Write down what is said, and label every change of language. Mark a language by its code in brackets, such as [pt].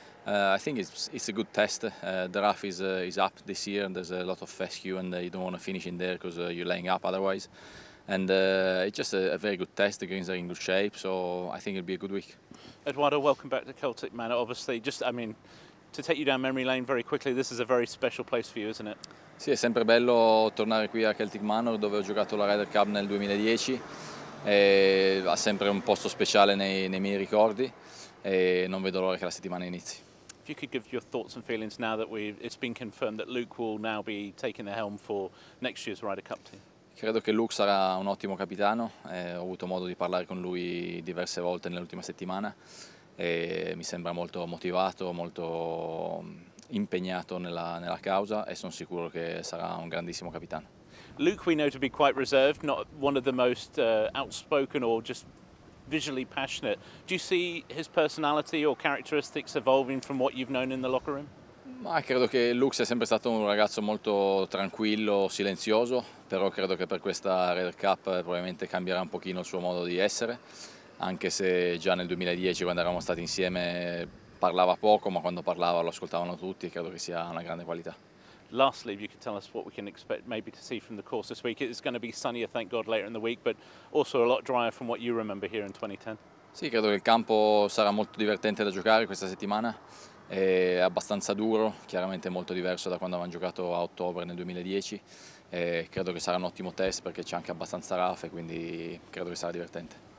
[en] I think it's a good test. The rough is up this year, and there's a lot of fescue, and you don't want to finish in there because you're laying up otherwise. And it's just a very good test. The greens are in good shape, so I think it'll be a good week. Edoardo, welcome back to Celtic Manor. Obviously, to take you down memory lane very quickly, this is a very special place for you, isn't it? [it] Sì, è sempre bello tornare qui a Celtic Manor, dove ho giocato la Ryder Cup nel 2010. Ha sempre un posto speciale nei miei ricordi, e non vedo l'ora che la settimana inizi. [en] If you could give your thoughts and feelings now that it's been confirmed that Luke will now be taking the helm for next year's Ryder Cup team. [it] Credo che Luke sarà un ottimo capitano. Ho avuto modo di parlare con lui diverse volte nell'ultima settimana. Mi sembra molto motivato, molto impegnato nella causa, e sono sicuro che sarà un grandissimo capitano. [en] Luke, we know to be quite reserved, not one of the most outspoken or just visually passionate. Do you see his personality or characteristics evolving from what you've known in the locker room? [it] Ma credo che Lux è sempre stato un ragazzo molto tranquillo, silenzioso, però credo che per questa Ryder Cup probabilmente cambierà un pochino il suo modo di essere, anche se già nel 2010 quando eravamo stati insieme parlava poco, ma quando parlava lo ascoltavano tutti, e credo che sia una grande qualità. [en] Lastly, if you could tell us what we can expect maybe to see from the course this week. It's going to be sunnier, thank God, later in the week, but also a lot drier from what you remember here in 2010. [it] Sì, credo che il campo sarà molto divertente da giocare questa settimana. È abbastanza duro, chiaramente molto diverso da quando avevamo giocato a ottobre nel 2010. E credo che sarà un ottimo test perché c'è anche abbastanza rough, e quindi credo che sarà divertente.